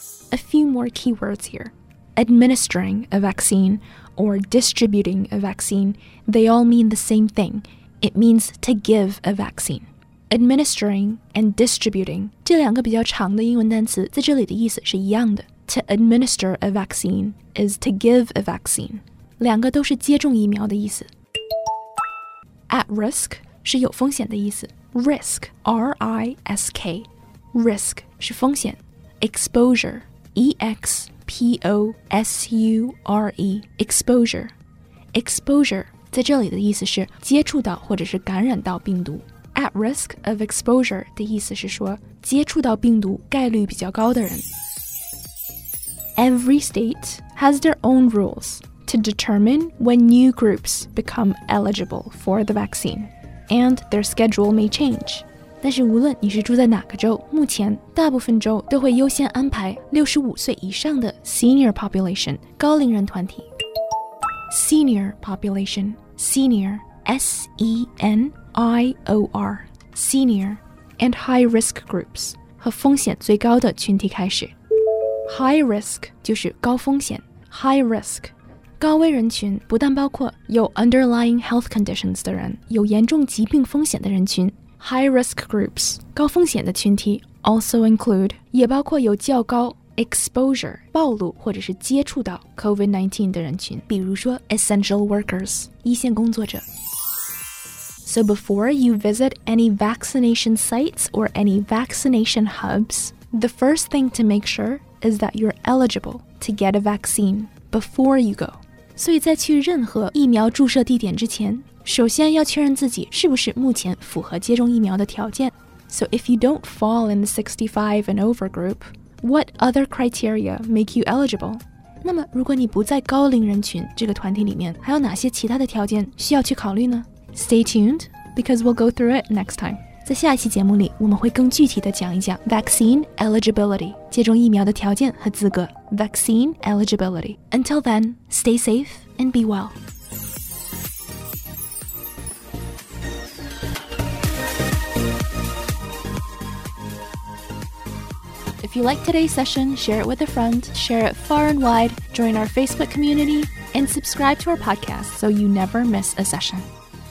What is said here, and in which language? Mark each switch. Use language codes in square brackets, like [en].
[en] A few more keywords here. Administering a vaccine. Or distributing a vaccine, they all mean the same thing. It means to give a vaccine. Administering and distributing, [zh] 这两个比较长的英文单词在这里的意思是一样的。 [en] To administer a vaccine is to give a vaccine. [zh] 两个都是接种疫苗的意思。 [en] At risk [zh] 是有风险的意思。 [en] Risk, R-I-S-K. Risk [zh] 是风险。 [en] Exposure, E-X. P-O-S-U-R-E, exposure. [zh] Exposure, 在这里的意思是接触到或者是感染到病毒。 [en] At risk of exposure [zh] 的意思是说接触到病毒概率比较高的人。 [en] Every state has their own rules to determine when new groups become eligible for the vaccine, and their schedule may change. [zh] 但是无论你是住在哪个州，目前大部分州都会优先安排65岁以上的 [en] senior population, [zh] 高龄人团体。 [en] Senior population, senior, S-E-N-I-O-R, senior, and high risk groups, [zh] 和风险最高的群体开始。 [en] High risk [zh] 就是高风险 [en] ,high risk, [zh] 高危人群不但包括有 [en] underlying health conditions [zh] 的人，有严重疾病风险的人群。 [en] High-risk groups, [zh] 高风险的群体 [en] also include, [zh] 也包括有较高 exposure, 暴露或者是接触到 COVID-19 的人群，比如说 [en] essential workers, [zh] 一线工作者。 [en] So before you visit any vaccination sites or any vaccination hubs, the first thing to make sure is that you're eligible to get a vaccine before you go. [zh] 所以在去任何疫苗注射地点之前，首先要确认自己是不是目前符合接种疫苗的条件。 [en] So if you don't fall in the 65 and over group, what other criteria make you eligible? [zh] 那么如果你不在高龄人群这个团体里面，还有哪些其他的条件需要去考虑呢？ [en] Stay tuned, because we'll go through it next time. [zh] 在下一期节目里，我们会更具体的讲一讲 [en] vaccine eligibility, [zh] 接种疫苗的条件和资格。 [en] Vaccine eligibility. Until then, stay safe and be well. If you like today's session, share it with a friend, share it far and wide, join our Facebook community, and subscribe to our podcast so you never miss a session.